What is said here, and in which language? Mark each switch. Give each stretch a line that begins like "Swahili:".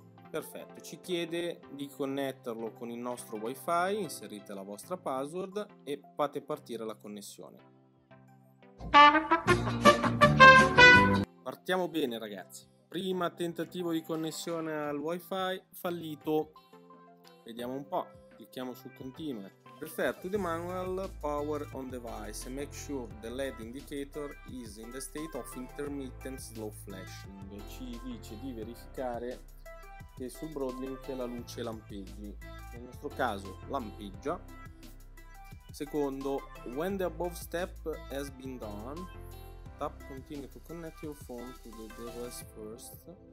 Italian: Perfetto, ci chiede di connetterlo con il nostro Wi-Fi. Inserite la vostra password e fate partire la connessione. Partiamo bene, ragazzi. Prima tentativo di connessione al Wi-Fi fallito. Vediamo un po'. Clicchiamo su Continue.
English: Refer to the manual power on device and make sure the LED indicator is in the state of intermittent slow flashing.
Italian: Ci dice di verificare che sul Broadlink la luce lampeggi. Nel nostro caso lampeggia. Secondo,
English: when the above step has been done, tap continue to connect your phone to the device first.